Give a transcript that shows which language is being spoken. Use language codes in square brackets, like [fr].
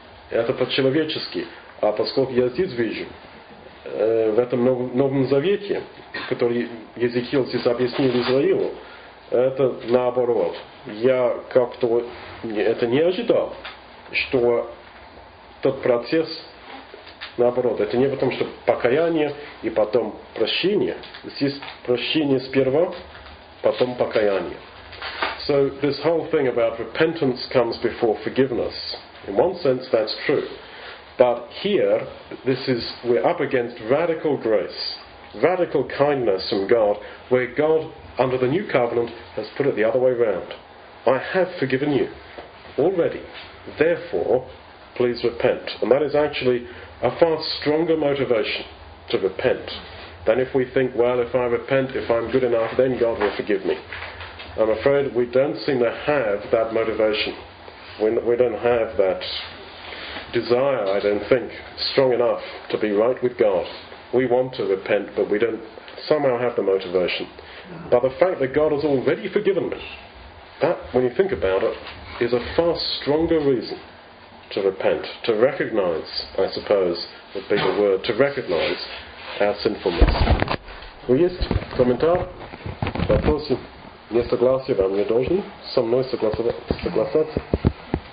[ru] Это по-человечески. А поскольку я здесь вижу, в этом Новом Завете, который Езекиил здесь объяснил Израилу, это наоборот. Я как-то это не ожидал, что тот процесс наоборот. Это не потому, что покаяние и потом прощение. Здесь прощение сперва, потом покаяние. [en] So this whole thing about repentance comes before forgiveness. In one sense, that's true. But here, we're up against radical grace, radical kindness from God, where God, under the new covenant, has put it the other way around. I have forgiven you already. Therefore, please repent. And that is actually a far stronger motivation to repent than if we think, well, if I repent, if I'm good enough, then God will forgive me. I'm afraid we don't seem to have that motivation. We don't have that desire, I don't think, strong enough to be right with God. We want to repent, but we don't somehow have the motivation. But the fact that God has already forgiven me, that, when you think about it, is a far stronger reason to repent, to recognize, I suppose, would be the word, to recognize our sinfulness. [ru] Ну есть комментар? Вопросы? Не согласие вам не должен. Со мной согласаться?